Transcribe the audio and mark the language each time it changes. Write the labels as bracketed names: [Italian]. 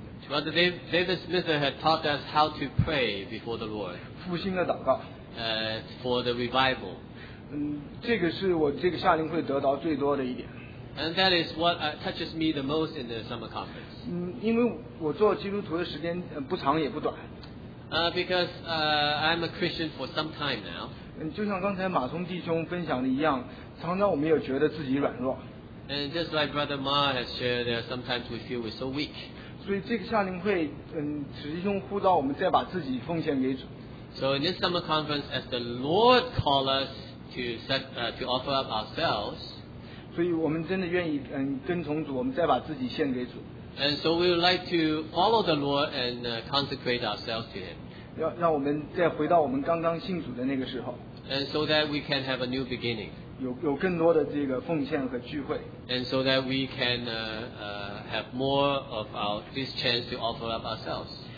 [English] Brother David Smith had taught us how to pray before the Lord. [Chinese] 复兴的祷告。 [English] For the revival. [Chinese] 这个是我这个夏令会得到最多的一点。 [English] And that is what touches me the most in the summer conference. [Chinese] 因为我做基督徒的时间不长也不短。 [English] Because I'm a Christian for some time now. [Chinese] 就像刚才马松弟兄分享的一样，常常我们也觉得自己软弱。 [English] And just like Brother Ma has shared, sometimes we feel we're so weak. [Chinese] 所以这个夏令会，使弟兄呼召我们再把自己奉献给主。 [English] So in this summer conference, as the Lord called us to offer up ourselves, [Chinese] 所以我们真的愿意跟从主，我们再把自己献给主。 [English] And so we would like to follow the Lord and consecrate ourselves to Him. [Chinese] 让我们再回到我们刚刚信主的那个时候。 [English] And so that we can have a new beginning. [Chinese] 有更多的这个奉献和聚会。 [English] And so that we can have more of our this chance to offer up ourselves.